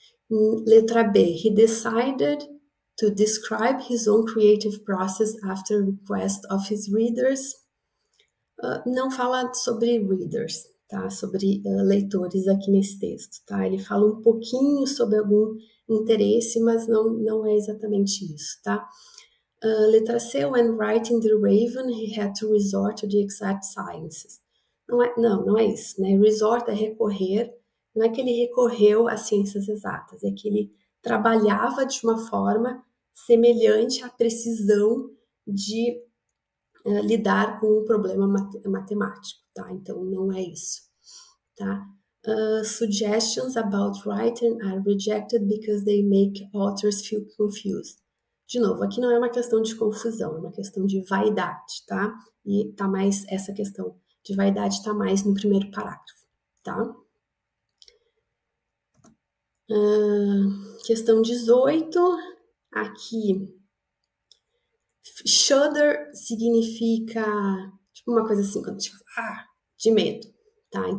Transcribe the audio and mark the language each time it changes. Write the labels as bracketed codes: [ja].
[pt] Letra B, [en] he decided to describe his own creative process after request of his readers. [pt] Não fala sobre readers, tá? Sobre leitores aqui nesse texto, tá? Ele fala um pouquinho sobre algum interesse, mas não é exatamente isso, tá? Letra C, [en] when writing The Raven, he had to resort to the exact sciences. [pt] Não é isso, né? Resort é recorrer, não é que ele recorreu às ciências exatas, é que ele trabalhava de uma forma semelhante à precisão de lidar com um problema matemático, tá? Então, não é isso, tá? [en] Suggestions about writing are rejected because they make authors feel confused. [pt] De novo, aqui não é uma questão de confusão, é uma questão de vaidade, tá? E tá mais essa questão de vaidade tá mais no primeiro parágrafo, tá? Questão 18, aqui. Shudder significa tipo uma coisa assim, quando tipo, ah, de medo, tá?